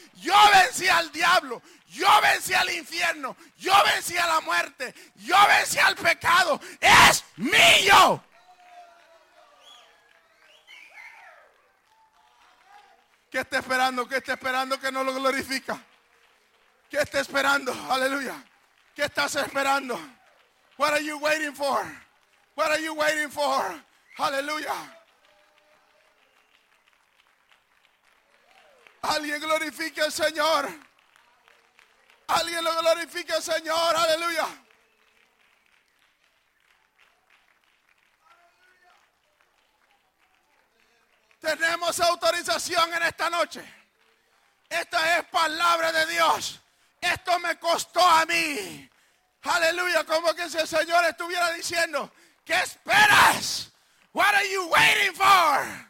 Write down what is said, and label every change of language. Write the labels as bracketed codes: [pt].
[es] Yo vencí al diablo. Yo vencí al infierno. Yo vencí a la muerte. Yo vencí al pecado. ¡Es mío! ¿Qué está esperando? ¿Qué está esperando que no lo glorifica? ¿Qué está esperando? Aleluya. ¿Qué estás esperando? [en] What are you waiting for? What are you waiting for? [es] Aleluya. Alguien glorifique al Señor. Alguien lo glorifique al Señor. Aleluya. Tenemos autorización en esta noche. Esta es palabra de Dios. Esto me costó a mí. Aleluya. Como que si el Señor estuviera diciendo, ¿qué esperas? [en] What are you waiting for?